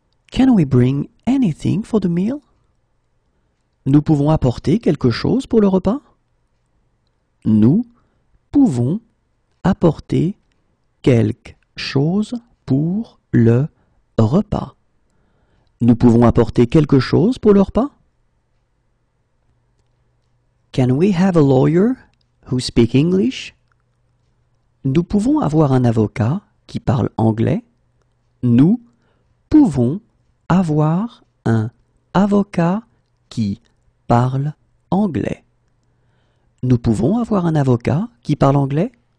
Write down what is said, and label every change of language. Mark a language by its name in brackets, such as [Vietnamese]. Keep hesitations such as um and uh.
[English] Can we bring anything for the meal [French] Nous pouvons apporter quelque chose pour le repas Nous pouvons apporter quelque chose pour le repas. Nous pouvons apporter quelque chose pour leur pas. [English] Can we have a lawyer who speak English? [French] Nous pouvons avoir un avocat qui parle anglais. Nous pouvons avoir un avocat qui parle anglais. Nous pouvons avoir un avocat qui parle anglais?